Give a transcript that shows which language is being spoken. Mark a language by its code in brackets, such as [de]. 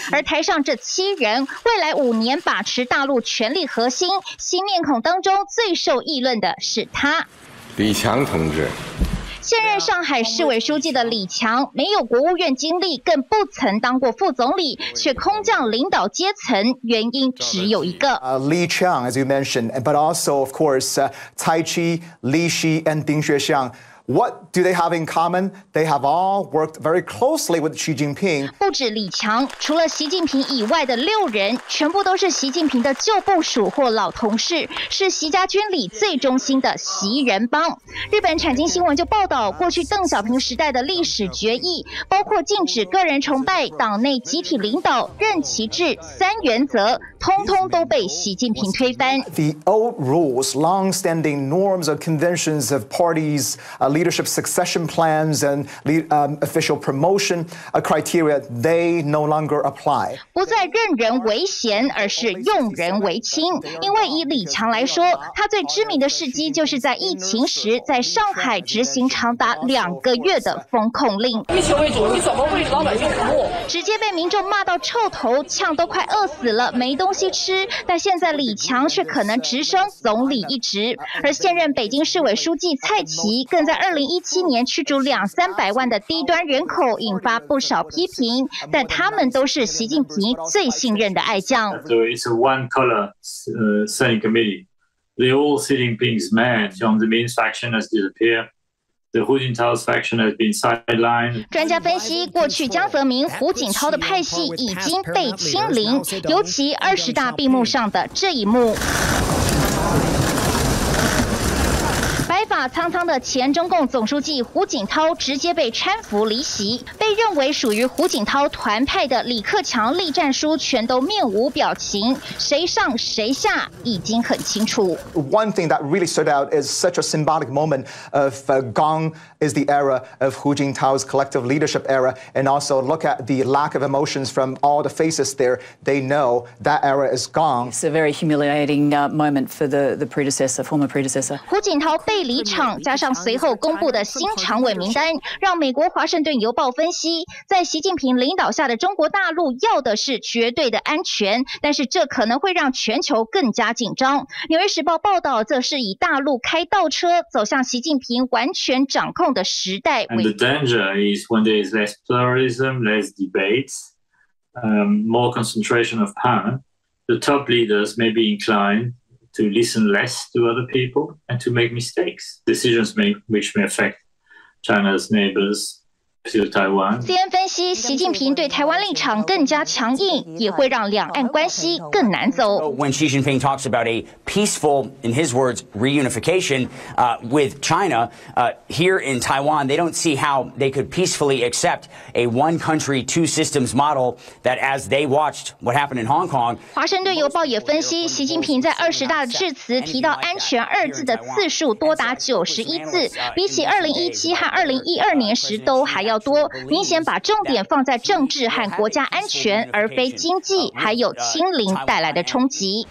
[zh] 而台上这七人，未来五年把持大陆权力核心，新面孔当中最受议论的是他，李强同志。现任上海市委书记的李强，没有国务院经历，更不曾当过副总理，却空降领导阶层，原因只有一个。 [en] Li Qiang, as you mentioned, but also of course, Tai Chi, Li Xi, and Ding Xuexiang. What do they have in common? They have all worked very closely with Xi Jinping. [zh] 不止李强，除了习近平以外的六人，全部都是习近平的旧部署或老同事，是习家军里最忠心的习人帮。日本产经新闻就报道，过去邓小平时代的历史决议，包括禁止个人崇拜、党内集体领导、任其制三原则，通通都被习近平推翻。 [en] The old rules, long-standing norms or conventions of parties. Leadership succession plans and official promotion criteria, they no longer apply. [zh] 不再任人唯贤，而是用人唯亲。因为以李强来说，他最知名的事迹就是在疫情时，在上海执行长达两个月的封控令。以民为主，你怎么为老百姓服务？直接被民众骂到臭头，呛都快饿死了，没东西吃。但现在李强却可能直升总理一职，而现任北京市委书记蔡奇更在2017年驱逐两三百万的低端人口，引发不少批评。但他们都是习近平最信任的爱将。 [en] So it's a one-color Senate committee. The old Xi Jinping's man from the main faction has disappeared. The Hu Jintao's faction has been sidelined. [zh] 专家分析，过去江泽民、胡锦涛的派系已经被清零，尤其二十大闭幕上的这一幕。白发苍苍的前中共总书记胡锦涛直接被搀扶离席，被认为属于胡锦涛团派的李克强栗战书全都面无表情，谁上谁下已经很清楚。 [en] One thing that really stood out is such a symbolic moment of gone is the era of Hu Jintao's collective leadership era, and also look at the lack of emotions from all the faces there. They know that era is gone. It's a very humiliating moment for the predecessor, former predecessor. [zh] 胡锦涛被离场，加上随后公布的新常委名单，让美国《华盛顿邮报》分析，在习近平领导下的中国大陆要的是绝对的安全，但是这可能会让全球更加紧张。 《纽约时报》报道，则是以大陆开倒车，走向习近平完全掌控的时代。 [en] And the danger is when there is less pluralism, less debates, more concentration of power. The top leaders may be inclined. To listen less to other people and to make mistakes, decisions which may affect China's neighbors. [zh] CNN 分析，习近平对台湾立场更加强硬，也会让两岸关系更难走。 [en] When Xi Jinping talks about a peaceful, in his words, reunification with China here in Taiwan, they don't see how they could peacefully accept a one country, two systems model that as they watched what happened in Hong Kong. [zh] 华盛顿邮报也分析，习近平在二十大致辞提到安全二字的次数多达91次，比起2017和2012年时都还要多，明显把重点放在政治和国家安全，而非经济，还有清零带来的冲击。